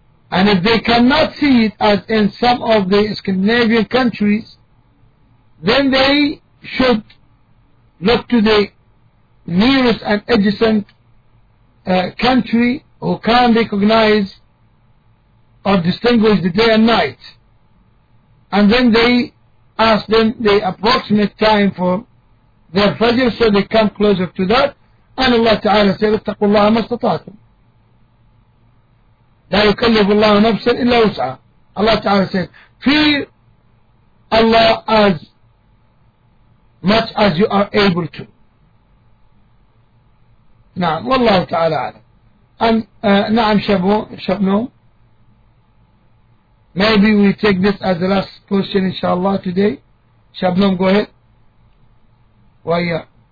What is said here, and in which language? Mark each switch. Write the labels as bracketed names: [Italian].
[English] And if they cannot see it, as in some of the Scandinavian countries, then they should look to the nearest and adjacent country who can recognize or distinguish the day and night. And then they ask them the approximate time for their Fajr, so they come closer to that. And Allah Ta'ala said, [Arabic] اتقوا الله ما استطعتم لا يكلف الله نفسا إلا وسعا. [English] Allah Ta'ala said, fear Allah as much as you are able to. [Arabic] نعم والله تعالى أعلم. نعم شبنو. [English] Maybe we take this as the last question inshallah today. Shabnam, go ahead. Why?